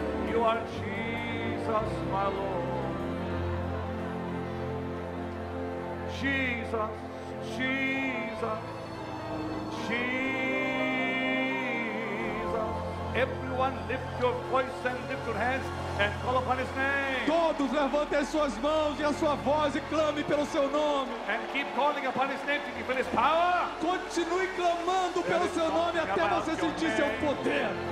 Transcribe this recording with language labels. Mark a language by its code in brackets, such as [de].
[en] You are Jesus, my Lord. Jesus, Jesus, Jesus. Everyone lift your voice and lift your hands. And call upon his name. [pt] Todos levantem as suas mãos e a sua voz e clame pelo seu nome. [en] And keep calling upon his name to give his power. [pt] Continue clamando pelo seu nome até você sentir seu poder.